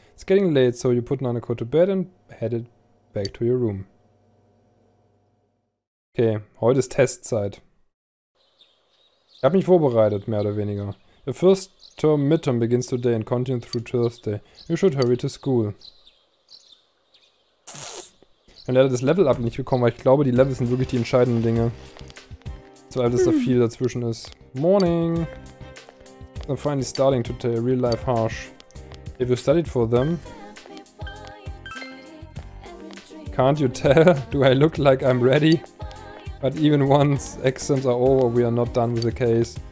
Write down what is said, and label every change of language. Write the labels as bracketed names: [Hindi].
[English] It's getting late, so you put Nanako to bed and head it back to your room. [German] Okay, heute ist Testzeit. Ich habe mich vorbereitet, mehr oder weniger. [English] Your first term midterm begins today and continues through Thursday. You should hurry to school. [German] Ich habe leider das Level Up nicht bekommen, weil ich glaube, die Levels sind wirklich die entscheidenden Dinge. Zwar, dass da viel dazwischen ist. Morning! [English] I'm finally starting to tell real life harsh. If you studied for them. Can't you tell? Do I look like I'm ready? But even once exams are over, we are not done with the case.